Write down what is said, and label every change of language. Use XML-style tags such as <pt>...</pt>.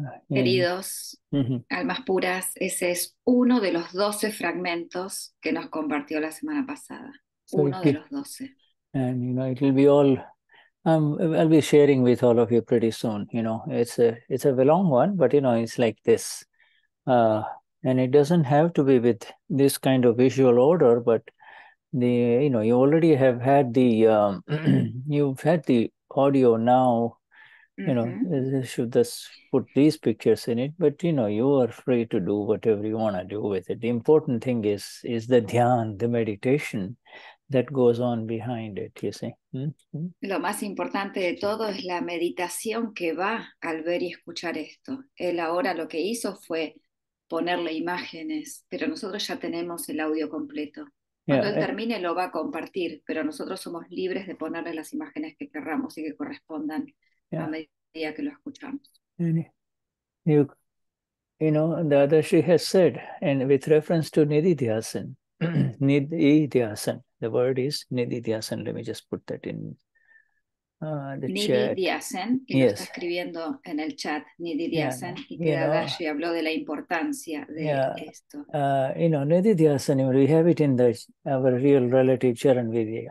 <es>Queridos almas puras, ese es uno de los 12 fragmentos que nos compartió la semana pasada. Uno de los 12.</es> <en>And, you know, it'll be all, I'll be sharing with all of you pretty soon. You know, it's a long one, but, you know, it's like this. And it doesn't have to be with this kind of visual order, but the, you know, you already have had the you've had the audio now, you mm-hmm. know, should just put these pictures in it, but, you know, you are free to do whatever you want to do with it. The important thing is the dhyan, the meditation that goes on behind it, you see.</en> <es>Lo más importante de todo es la meditación que va al ver y escuchar esto. Él ahora lo que hizo fue ponerle imágenes, pero nosotros ya tenemos el audio completo. Cuando él termine lo va a compartir, pero nosotros somos libres de ponerle las imágenes que querramos y que correspondan a medida que lo escuchamos.</es> <en>You know, Dada Shri has said, and with reference to nididhyasan, nididhyasan, the word is nididhyasan. Let me just put that in the chat.</en> <es>Nididhyasan, y yes. Lo está escribiendo en el chat, nididhyasan, yeah, no, y que Dada Shri habló de la importancia de esto.</es> <en>You know, nididhyasan, we have it in the, our real relative charanvidhi.</en>